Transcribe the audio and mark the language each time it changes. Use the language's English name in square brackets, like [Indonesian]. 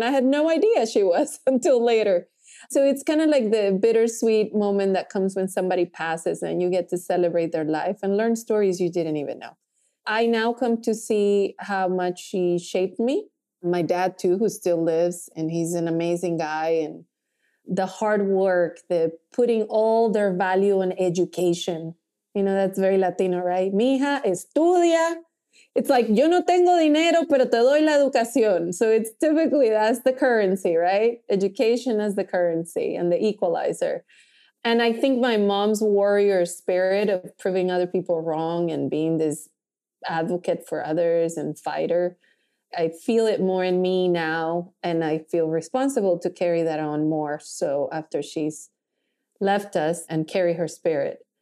[English] And I had no idea she was until later. So it's kind of like the bittersweet moment that comes when somebody passes and you get to celebrate their life and learn stories you didn't even know. I now come to see how much she shaped me. My dad, too, who still lives, and he's an amazing guy. And the hard work, the putting all their value in education. You know, that's very Latino, right? [Spanish] Mija, estudia. [English] It's like, [Spanish] yo no tengo dinero, pero te doy la educación. [English] So it's typically, that's the currency, right? Education is the currency and the equalizer. And I think my mom's warrior spirit of proving other people wrong and being this advocate for others and fighter. I feel it more in me now, and I feel responsible to carry that on more so after she's left us and carry her spirit.